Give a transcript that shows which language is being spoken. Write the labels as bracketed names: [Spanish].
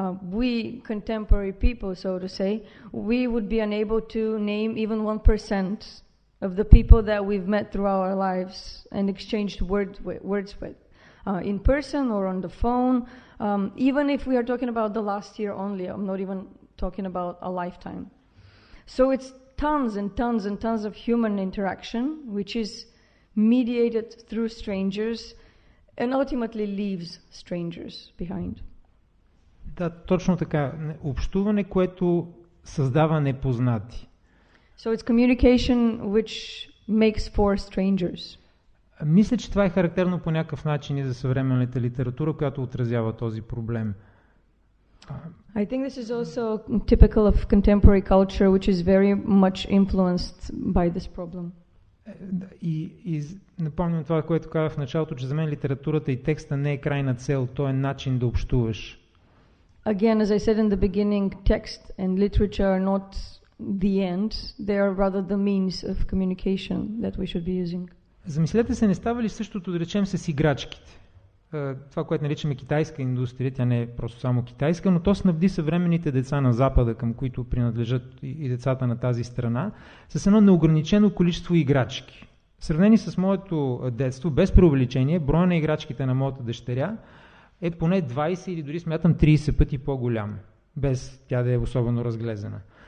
[English] We contemporary people, so to say, we would be unable to name even 1% of the people that we've met through our lives and exchanged words with, in person or on the phone, even if we are talking about the last year only. I'm not even talking about a lifetime. So it's tons and tons and tons of human interaction, which is mediated through strangers and ultimately leaves strangers behind. [Bulgarian] Да, точно така. Общуване, което създава непознати. [English] So it's communication which makes for strangers. [Bulgarian] Мисля, че това е характерно по някакъв начин и за съвременната литература, която отразява този проблем. [English] I think this is also typical of contemporary culture, which is very much influenced by this problem. [Bulgarian] И напомням това, което казах в началото, че за мен литературата и текста не е крайна цел, то е начин да общуваш. [English] Again, as I said in the beginning, text and literature are not the end. They are rather the means of communication that we should be using. [Bulgarian] Замислете се, не става ли същото, да речем, с играчките? Това, което наричаме китайска индустрия, тя не е просто само китайска, но то снабди съвременните деца на Запада, към които принадлежат и децата на тази страна, с едно неограничено количество играчки. В сравнение с моето детство, без преувеличение, броя на играчките на моята дъщеря е поне 20 или дори смятам 30 пъти по-голям, без тя да е особено разглезена.